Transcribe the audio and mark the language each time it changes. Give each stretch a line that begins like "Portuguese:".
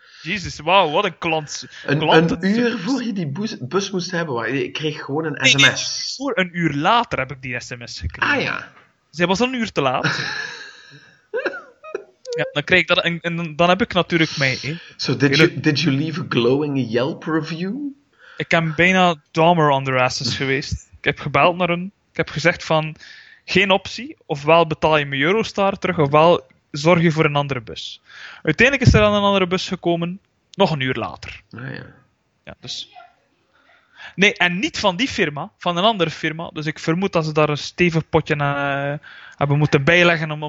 Dutch: Jezus, wauw, wat een klant. Een uur voor je die bus moest hebben. Ik kreeg gewoon een sms. Nee, voor een uur later heb ik die sms gekregen. Ah ja. Zij was een uur te laat. Ja, dan krijg ik dat en dan heb ik natuurlijk mee. Hè.
English: So did you leave a glowing Yelp review?
Dutch: Ik ben bijna Dahmer
English: on the asses
Dutch: geweest. Ik heb gebeld naar hun. Ik heb gezegd van, geen optie. Ofwel betaal je mijn Eurostar terug, ofwel zorg je voor een andere bus. Uiteindelijk is er dan een andere bus gekomen, nog een uur later. Ah, ja. Ja, dus. Nee, en niet van die firma, van een andere firma. Dus ik vermoed dat ze daar een stevig potje aan hebben moeten bijleggen om die